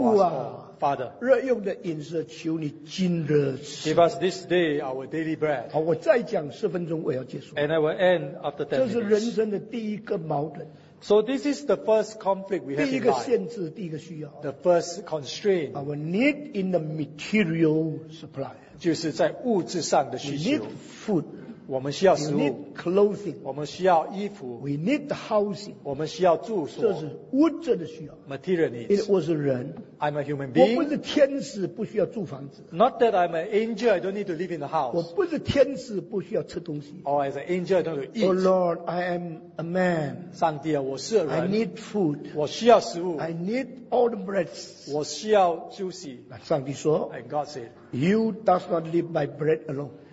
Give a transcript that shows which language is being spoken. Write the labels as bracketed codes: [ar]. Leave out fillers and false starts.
[zh] 父啊, [en] us, oh, Father. [zh] 热用的饮食求你今日吃, [en] give us this day our daily bread. [zh] 好, 我再讲10分钟, 我要结束, [en] and I will end after 10 minutes. [zh] 这是人生的第一个矛盾。 [en] So this is the first conflict we have in life. [zh] 第一个限制, 第一个需要, [en] the first constraint. Our need in the material supply. [zh] 就是在物质上的需求。 [en] We need food. [zh] 我们需要食物, [en] we need clothing. [zh] 我们需要衣服, [en] we need the housing. [zh] 我们需要住所, 这是物质的需要, [en] material needs. It was a人, I'm a human being. [zh] 我不是天使, 不需要住房子, [en] not that I'm an angel, I don't need to live in the house. [zh] 我不是天使, 不需要吃东西, [en] or as an angel, I don't need to eat. Oh Lord, I am a man. [zh] 上帝啊, 我是人, [en] I need food. [zh] 我需要食物, [en] I need all the breads. [zh] 我需要休息, 上帝说, [en] and God said, you does not live by bread alone.